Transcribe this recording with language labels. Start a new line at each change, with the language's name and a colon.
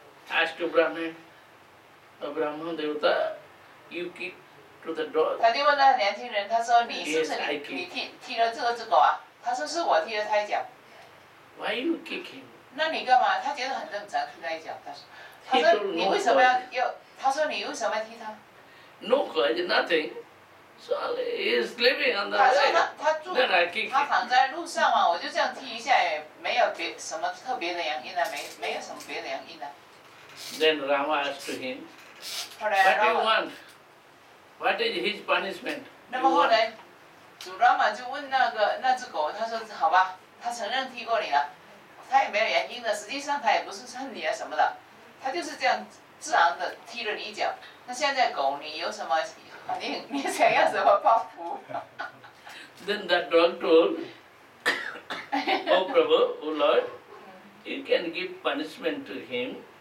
English: Ask to Brahman, a Brahman devata, you kick to the dog.
Chinese: 他就问那年轻人，他说你是不是你踢了这只狗啊？他说是我踢了他一脚。
English: Why you kick him?
Chinese: 那你干嘛？他觉得很正常，踢他一脚。他说你为什么要？他说你为什么踢他
English: ？No cause, nothing. So he is living on the road. Then I kick him.
Chinese: 他躺在路上嘛，我就这样踢一下，也没有别什么特别的原因的，没有什么别的原因的。
English: Then Rama asked to him, What do you want? What is his punishment?
Chinese: 那么后来，主拉玛就问那只狗，他说：“好吧，他承认踢过你了，他也没有原因的，实际想他也不是恨你啊什么的，他就是这样自然的踢了你一脚。那现在狗，你有什么反应？你想要什么报复？”
English: Then that dog told, "Oh Prabhu, oh Lord, you can give punishment to him.